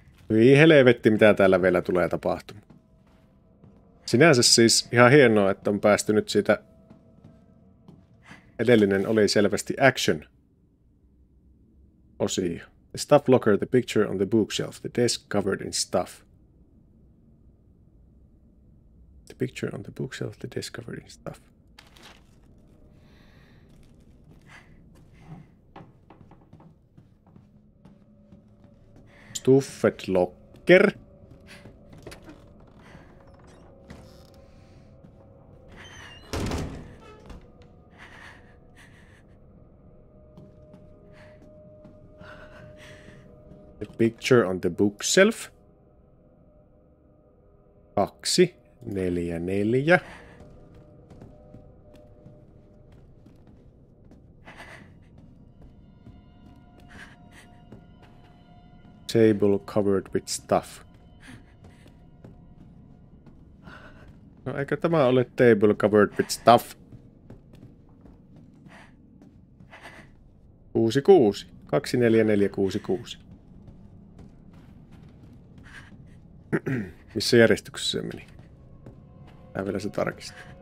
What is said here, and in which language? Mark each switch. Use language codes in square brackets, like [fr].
[fi] Hyi helvetti, mitä täällä vielä tulee tapahtumaan. Sinänsä siis ihan hienoa, että on päästy nyt siitä. Edellinen oli selvästi action osio. [en] The stuff locker, the picture on the bookshelf, the desk covered in stuff. The picture on the bookshelf, the desk covered in stuff. Stuffed locker. Picture on the bookshelf. 2, 4, 4. Table covered with stuff. [fi] No eikö tämä ole [en] table covered with stuff? 6, 6. 2, 4, 4, 6, 6. [fi] Missä järjestyksessä se meni? Mä vielä se tarkistaa.